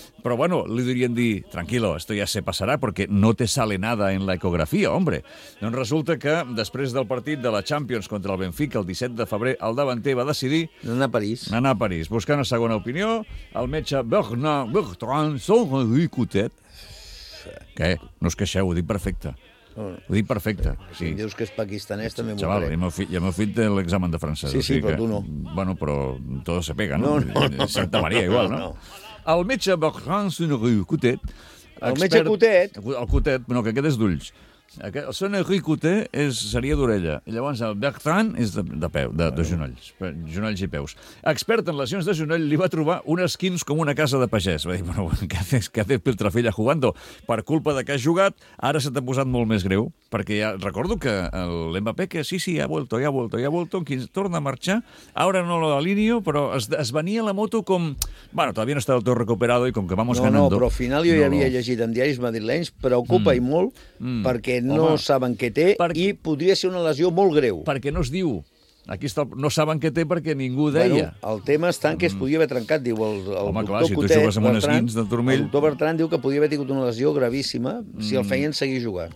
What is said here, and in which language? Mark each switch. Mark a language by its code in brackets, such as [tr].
[es] Però bueno, li dirien dir, tranquilo, esto ya se pasará porque no te sale nada en la ecografía. [ca] Hombre, doncs resulta que després del partit de la Champions contra el Benfica el 17 de febrer, el davanter va decidir anar a París, buscar una segona opinió. El metge Bertrand Saint-Ricoutet, què? No us queixeu, ho dic perfecte. Ho dic perfecte. Si em dius que és pakistanès, també m'ho faré. Xaval, i el meu fill té l'examen de francès. Sí, però tu no. [es] Bueno, però todo se pega, no? [ca] No. Santa Maria, igual, no? El metge Bertrand Saint-Ricoutet, el metge Cotet. El Cotet, no, que aquest és d'ulls. El Saint-Ricoutet Cotet seria d'orella. Llavors, el Bertrand és de peu, de genolls. Genolls i peus. Expert en lesions de genoll li va trobar un esquins com una casa de pagès. Va dir, bueno, [es] què haces, Piltrafilla, jugando? [ca] Per culpa de que has jugat, ara se t'ha posat molt més greu. Perquè ja recordo que l'Mbappé, que sí, [es] ha vuelto, [ca] torna a marxar. Ara [es] no lo alineo, [ca] però es venia la moto com... [es] Bueno, todavía no está del todo recuperado y con que vamos ganando... [ca] No, però al final jo ja havia llegit en diaris madrilenys, preocupa i molt, perquè no saben què té i podria ser una lesió molt greu. Perquè no es diu. Aquí està, no saben què té perquè ningú deia. Bueno, el tema està en que es podia haver trencat, diu el doctor Cotet. Home, clar, si tu jugues amb un esquins de turmell... El doctor Bertrand diu que podia haver tingut una lesió gravíssima si el feien seguir jugant.